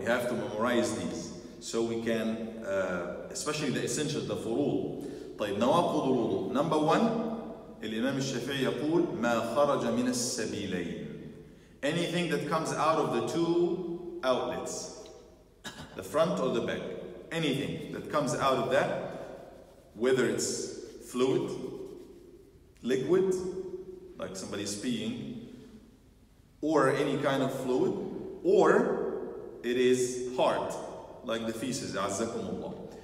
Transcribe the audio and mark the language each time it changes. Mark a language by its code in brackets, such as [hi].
[en] We have to memorize these so we can especially the essential, the فروض. [ar] طيب نواقض الوضوء. [en] Number one, [ar] الإمام الشافعي يقول ما خرج من السبيلين. [en] Anything that comes out of the two outlets, the front or the back, anything that comes out of that, whether it's fluid, liquid, like somebody is peeing, or any kind of fluid, or it is hard, like the feces, [ar] عزكم الله.